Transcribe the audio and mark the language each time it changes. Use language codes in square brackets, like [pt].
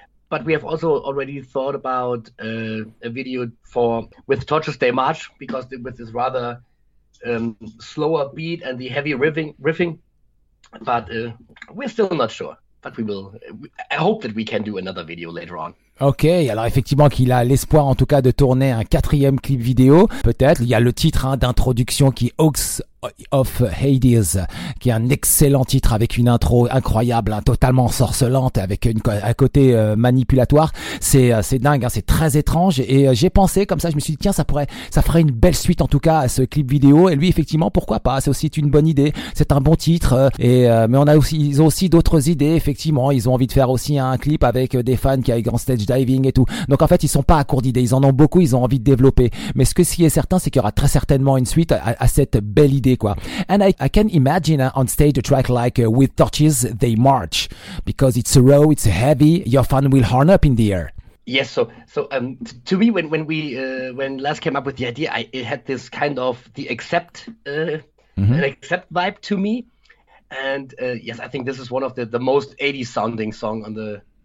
[en] But we have also already thought about a video with Torture's Day March, because with this rather... slower beat and the heavy riffing, but we're still not sure, but we will. I hope that we can do another video later on. [fr] Ok, alors effectivement qu'il a l'espoir en tout cas de tourner un quatrième clip vidéo, peut-être. Il y a le titre, hein, d'introduction qui est Oaks of Hades, qui est un excellent titre avec une intro incroyable, hein, totalement sorcelante, avec un côté manipulatoire. C'est dingue, hein, c'est très étrange, et j'ai pensé comme ça, je me suis dit tiens, ça ferait une belle suite en tout cas à ce clip vidéo, et lui effectivement pourquoi pas, c'est aussi une bonne idée, c'est un bon titre, et mais ils ont aussi d'autres idées, effectivement, ils ont envie de faire aussi un clip avec des fans qui aillent en stage diving et tout, donc en fait ils sont pas à court d'idées, ils en ont beaucoup, ils ont envie de développer, mais ce qui est certain, c'est qu'il y aura très certainement une suite à cette belle idée, quoi. [en] And I can imagine on stage a track like With Torches They March, because it's raw, it's heavy, your fans will horn up in the air. Yes, so to me, when Lars came up with the idea, it had this kind of the accept an accept vibe to me, and yes, I think this is one of the most 80s sounding song on the